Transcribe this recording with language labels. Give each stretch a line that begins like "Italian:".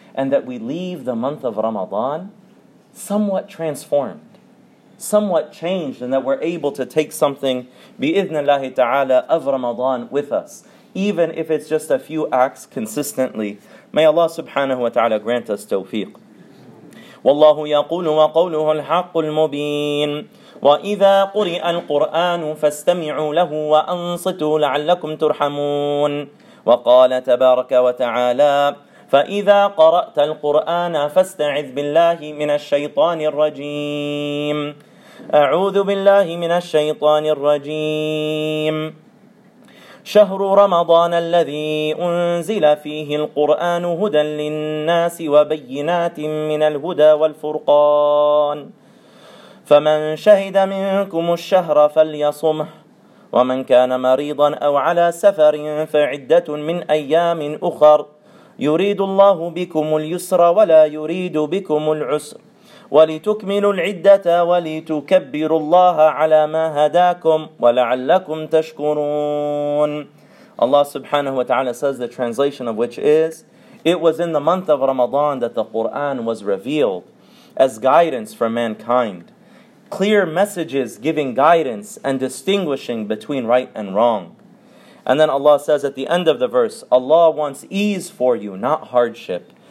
English: And that we leave the month of Ramadan somewhat transformed, somewhat changed, and that we're able to take something, bi'idhnillahi ta'ala, of Ramadan with us. Even if it's just a few acts consistently. May Allah subhanahu wa ta'ala grant us tawfiq.
Arabic: والله يقول وقوله الحق المبين وإذا قرئ القرآن فاستمعوا له وأنصتوا لعلكم ترحمون وقال تبارك وتعالى فإذا قرأت القرآن فاستعذ بالله من الشيطان الرجيم أعوذ بالله من الشيطان الرجيم شهر رمضان الذي أنزل فيه القرآن هدى للناس وبينات من الهدى والفرقان فمن شهد منكم الشهر فليصمه ومن كان مريضا أو على سفر فعدة من أيام أخر يريد الله بكم اليسر ولا يريد بكم العسر ولتكملوا العدة ولتكبروا الله على ما هداكم ولعلكم تشكرون.
English: Allah subhanahu wa ta'ala says, the translation of which is, it was in the month of Ramadan that the Qur'an was revealed as guidance for mankind. Clear messages giving guidance and distinguishing between right and wrong. And then Allah says at the end of the verse, Allah wants ease for you, not hardship.